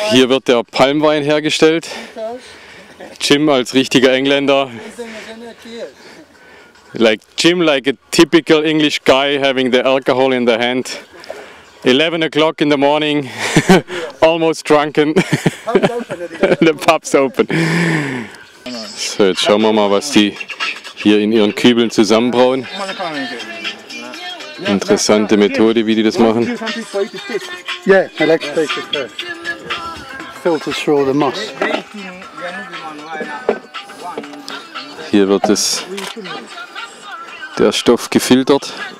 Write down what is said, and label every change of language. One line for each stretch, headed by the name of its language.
German: Hier wird der Palmwein hergestellt. Jim als richtiger Engländer
English: like Jim, like a typical English guy having the alcohol in the hand. 11 o'clock in the morning, almost drunken. The pub's open.
German: So jetzt schauen wir mal, was die hier in ihren Kübeln zusammenbrauen. Interessante Methode, wie die das machen.
English: Yeah, I like to take it first. Filter through the moss.
German: Hier wird es der Stoff gefiltert.